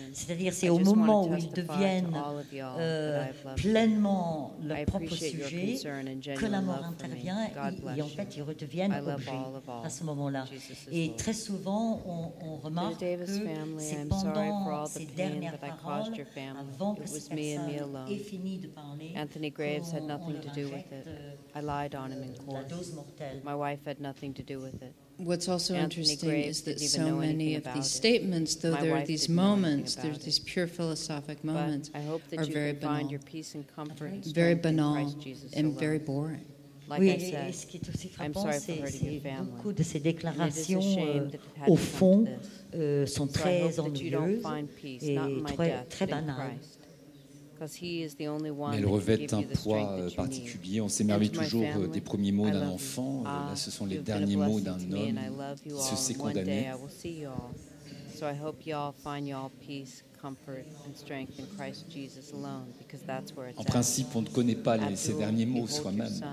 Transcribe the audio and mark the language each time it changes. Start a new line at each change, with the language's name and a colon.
French: C'est-à-dire, c'est au moment où ils deviennent pleinement leur propre sujet que la mort intervient et en fait ils redeviennent objet à ce moment-là. Et très souvent, on remarque que c'est pendant ces dernières paroles, avant que cette personne ait fini de parler,
English: Anthony Graves had nothing to do with it. I lied on him in court.
French: La dose mortelle.
English: My wife had nothing to do with it. What's also interesting is that so many of these statements, though there are these moments, there's these pure philosophic moments, are very banal, very banal and very boring.
French: Oui, et ce qui est aussi frappant, c'est beaucoup de ces déclarations, au fond, sont très ennuyeuses et très banales. Mais elles revêtent un poids particulier. On s'émerveille toujours des premiers mots d'un enfant. Là, ce sont les derniers mots d'un homme qui se sait condamné.
English: So I hope you all find you all peace, comfort, and strength in Christ Jesus alone, because that's where it's
French: at. En principe, on ne connaît pas ces derniers mots soi-même.